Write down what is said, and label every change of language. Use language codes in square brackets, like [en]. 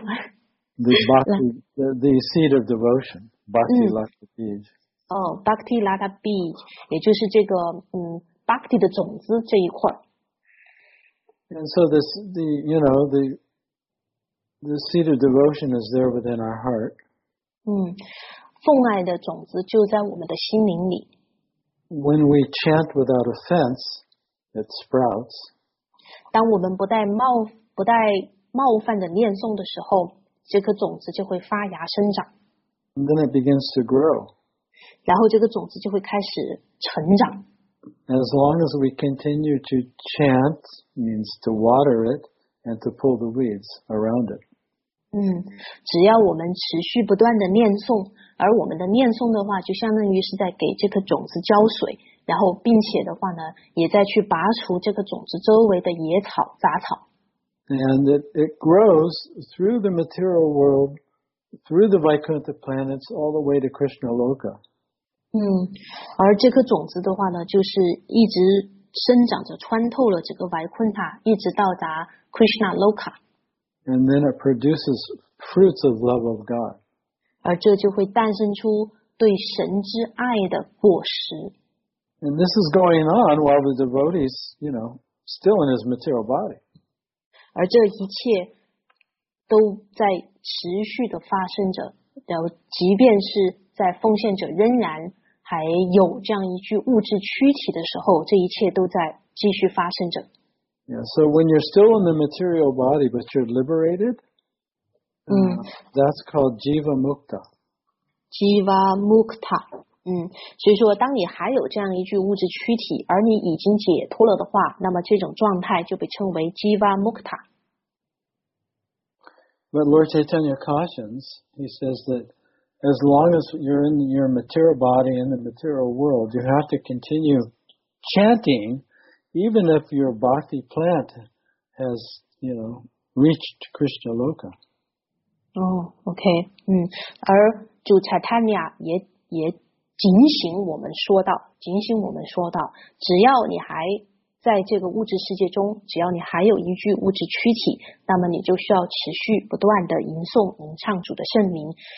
[en] what？ The Bhakti， the seat of devotion， Bhakti Lata Beach。 [zh] 哦 ，Bhakti Lata Beach， 也就是这个Bhakti 的种子这一块。 [en] And so this, the, you know, the seed of devotion is there within our heart. [zh] 奉爱的种子就在我们的心灵里。 [en] When we chant without offense, it sprouts. [zh] 当我们不带冒犯的念诵的时候，这颗种子就会发芽生长。 [en] And then it begins to grow. [zh] 然后这个种子就会开始成长。 [en] As long as we continue to chant, means to water it and to pull the weeds around it. [zh] 只要我们持续不断的念诵，而我们的念诵的话，就相当于是在给这颗种子浇水，然后并且的话呢，也在去拔除这个种子周围的野草、杂草。 [en] And it grows through the material world, through the Vaikuntha planets, all the way to Krishna Loka. [zh] 而这颗种子的话呢，就是一直生长着，穿透了这个维昆塔，一直到达 Krishna Loka。 [en] And then it produces fruits of love of God. [zh] 而这就会诞生出对神之爱的果实。 [en] And this is going on while the devotee's, you know, still in his material body. [zh] 而这一切都在持续的发生着，然后即便是。在奉献者仍然还有这样一具物质躯体的时候，这一切都在继续发生着。 [en] Yeah, so when you're still in the material body, but you're liberated, that's called jiva mukta. [zh] Jiva mukta. 所以说，当你还有这样一具物质躯体，而你已经解脱了的话，那么这种状态就被称为 jiva mukta. [en] But Lord Chaitanya cautions. He says that. As long as you're in your material body in the material world, you have to continue chanting, even if your bhakti plant has, you know, reached Krishna Loka. Okay. [zh] 而主 Chaitanya 也警醒我们说到，只要你还在这个物质世界中，只要你还有一具物质躯体，那么你就需要持续不断的吟诵、吟唱主的圣名。